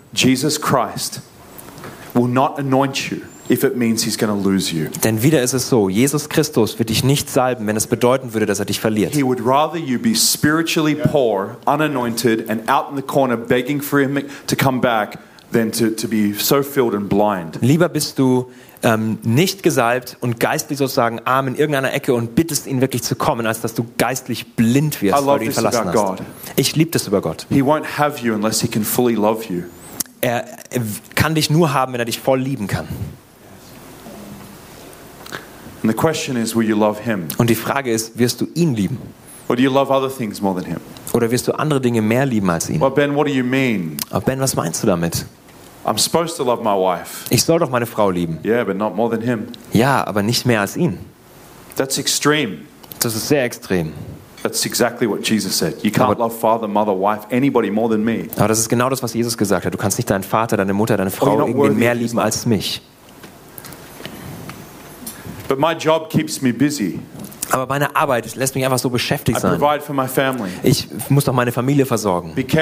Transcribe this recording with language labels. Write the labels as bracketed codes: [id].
[en] Jesus Christ will not anoint you if it means he's going to lose you. [de] Denn wieder ist es so, Jesus Christus wird dich nicht salben, wenn es bedeuten würde, dass er dich verliert. [en] He would rather you be spiritually poor, unanointed and out in the corner begging for him to come back than to be so filled and blind. [de] Lieber bist du nicht gesalbt und geistlich sozusagen arm in irgendeiner Ecke und bittest ihn wirklich zu kommen, als dass du geistlich blind wirst, weil du ihn verlassen hast. [en] God. [de] Ich liebe das über Gott. [en] He won't have you unless he can fully love you. [de] Er kann dich nur haben, wenn er dich voll lieben kann. [en] And the question is, will you love him? [de] Und die Frage ist, wirst du ihn lieben? [en] Or do you love other things more than him? [de] Oder wirst du andere Dinge mehr lieben als ihn? [en] Well, Ben, what do you mean? [de] Oh, Ben, was meinst du damit? [en] I'm supposed to love my wife. [de] Ich soll doch meine Frau lieben. [en] Yeah, but not more than him. [de] Ja, aber nicht mehr als ihn. [en] That's extreme. [de] Das ist sehr extrem. [en] That's exactly what Jesus said. You can't love father, mother, wife, anybody more than me. [de] Aber das ist genau das, was Jesus gesagt hat. Du kannst nicht deinen Vater, deine Mutter, deine Frau irgendwie mehr lieben als mich. [en] But my job keeps me busy. [de] Aber meine Arbeit lässt mich einfach so beschäftigt sein. Ich muss doch meine Familie versorgen.